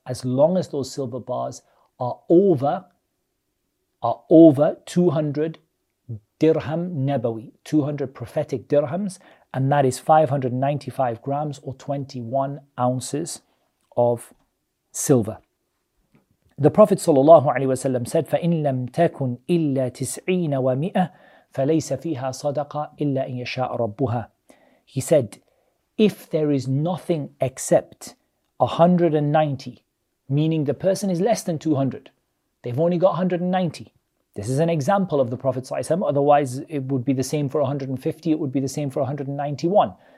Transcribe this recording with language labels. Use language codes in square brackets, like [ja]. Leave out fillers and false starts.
[en] As long as those silver bars are over 200 dirham nabawi, 200 prophetic dirhams, and that is 595 grams or 21 ounces of silver. The Prophet sallallahu alaihi wasallam said, [ar] فَإِنْ لَمْ تَكُنْ إِلَّا تِسْعِينَ وَمِئَةً فَلَيْسَ فِيهَا صَدَقَةً إِلَّا إِنْ يَشَاءَ رَبُّهَا. [en] He said, if there is nothing except 190, meaning the person is less than 200, they've only got 190. This is an example of the Prophet sallallahu alaihi wasallam. Otherwise, it would be the same for 150, it would be the same for 191.